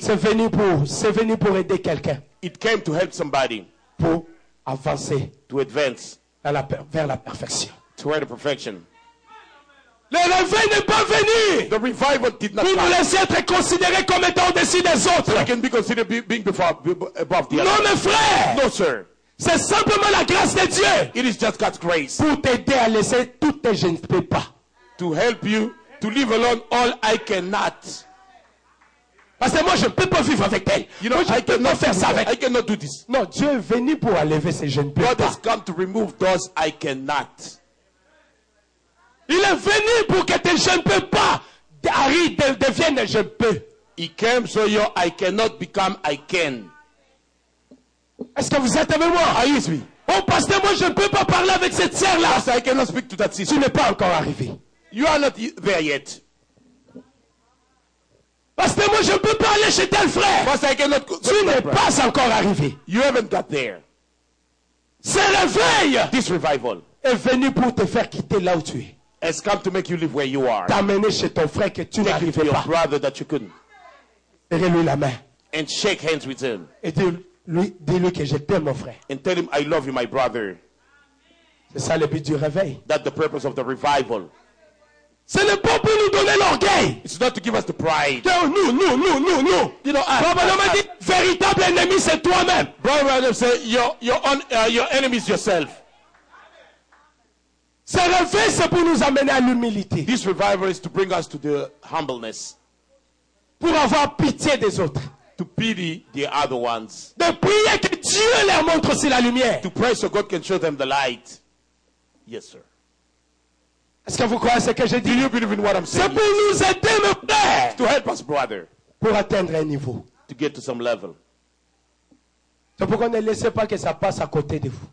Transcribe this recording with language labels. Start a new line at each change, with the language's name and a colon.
French: C'est venu pour aider quelqu'un.
English: It came to help somebody.
French: Pour avancer.
English: To advance.
French: Vers la perfection.
English: Toward the perfection.
French: L'élevé n'est pas venu.
English: The revival did not come.
French: Pour nous laisser être considérés comme étant au-dessus des autres.
English: So we can be considered being before, above the
French: non,
English: other.
French: Mes frères.
English: No, sir.
French: C'est simplement la grâce de Dieu.
English: It is just God's grace.
French: Pour t'aider à laisser tout ce que je ne peux pas.
English: To help you to live alone all I cannot.
French: Parce que moi je ne peux pas vivre avec elle.
English: You know,
French: moi, je
English: I cannot
French: faire ça avec.
English: I cannot do this.
French: Non, Dieu est venu pour enlever ces jeunes
English: God God has come to remove those I cannot.
French: Il est venu pour que tes je ne peux pas deviennent je peux.
English: He came so your I cannot become I can.
French: Est-ce que vous êtes avec moi?
English: Are you with me?
French: Oh, parce que moi je ne peux pas parler avec cette sœur là.
English: Pastor, I cannot speak to that sister.
French: Tu n'es pas encore arrivé.
English: You are not there yet.
French: Parce que moi je ne peux pas aller chez tel frère.
English: Pastor, I cannot go
French: tu n'es pas encore arrivé.
English: You haven't got there.
French: C'est réveil.
English: This revival
French: est venu pour te faire quitter là où tu es.
English: Has come to make you live where you are.
French: T'amener chez ton frère que tu n'arrivais pas.
English: Take your brother that you couldn't.
French: Serre-lui la main.
English: And shake hands with him.
French: Et dis-lui que je t'aime, mon frère.
English: And tell him I love you, my brother.
French: C'est ça le but du réveil.
English: That's the purpose of the revival.
French: Ce n'est pas pour nous donner l'orgueil.
English: It's not to give us the pride.
French: Nous.
English: You know,
French: Probablement dit, véritable ennemi, c'est toi-même.
English: Brother, say, your enemy is yourself.
French: Ce réveil, c'est pour nous amener à l'humilité.
English: This revival is to bring us to the humbleness.
French: Pour avoir pitié des autres.
English: To pity the other ones.
French: De prier que Dieu leur montre aussi la lumière.
English: To pray so God can show them the light. Yes, sir.
French: Est-ce que vous croyez ce que j'ai dit?
English: Do you believe in what I'm saying?
French: C'est pour nous aider, mon frère.
English: To help us, brother.
French: Pour atteindre un niveau.
English: To get to some level.
French: C'est pourquoi ne laissez pas que ça passe à côté de vous.